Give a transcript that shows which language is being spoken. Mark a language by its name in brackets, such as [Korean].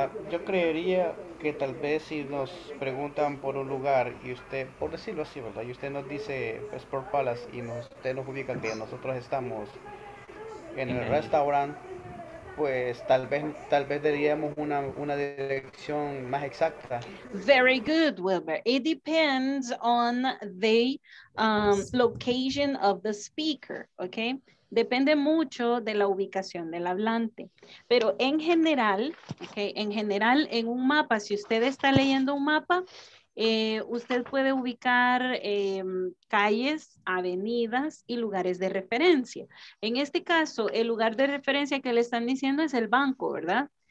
[Spanish] Yo creería que tal vez si nos preguntan por un lugar y usted, por decirlo así, ¿verdad? Y usted nos dice Sport Palace y nos, usted nos ubica que nosotros estamos en el restaurant, pues tal vez daríamos una dirección más exacta. [English] Very good, Wilber. It depends on the location of the speaker, okay? [Spanish] Depende mucho de la ubicación del hablante. Pero en general, okay, en general, en un mapa, si usted está leyendo un mapa, usted puede ubicar calles, avenidas y lugares de referencia. En este caso, el lugar de referencia que le están diciendo es el banco, ¿verdad?